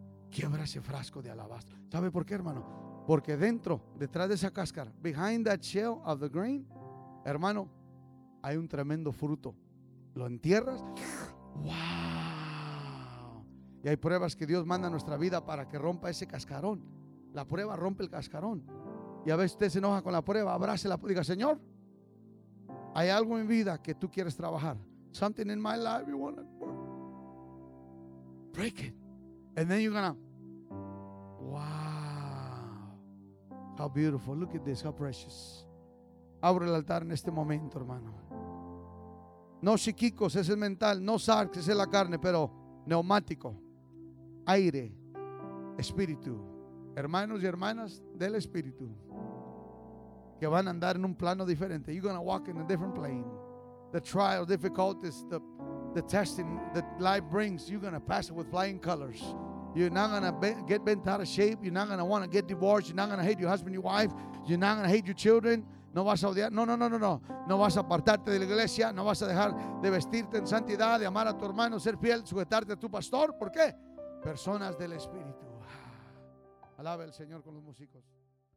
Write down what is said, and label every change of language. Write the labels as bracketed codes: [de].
[es] Quiebra ese frasco de alabastro. ¿Sabe por qué, hermano? Porque dentro, detrás de esa cáscara, [en] behind that shell of the grain, [es] hermano, hay un tremendo fruto. Lo entierras. ¡Wow! Y hay pruebas que Dios manda a nuestra vida para que rompa ese cascarón. La prueba rompe el cascarón. Y a veces usted se enoja con la prueba, abrácela y diga, Señor, hay algo en vida que tú quieres trabajar. [en] Something in my life you want to break it. And then you're gonna, wow, how beautiful, look at this, how precious. [es] Abro el altar en este momento, hermano. No psíquicos, ese es mental. No sarx, ese es la carne, pero neumático, aire, espíritu, hermanos y hermanas del espíritu, que van a andar en un plano diferente. [en] You're going to walk in a different plane. The trial, difficulties, the testing that life brings, you're going to pass it with flying colors. You're not going to get bent out of shape. You're not going to want to get divorced. You're not going to hate your husband, your wife. You're not going to hate your children. [es] No vas a odiar, no. No vas a apartarte de la iglesia. No vas a dejar de vestirte en santidad, de amar a tu hermano, ser fiel, sujetarte a tu pastor. ¿Por qué? Personas del Espíritu. Alaba el Señor con los músicos.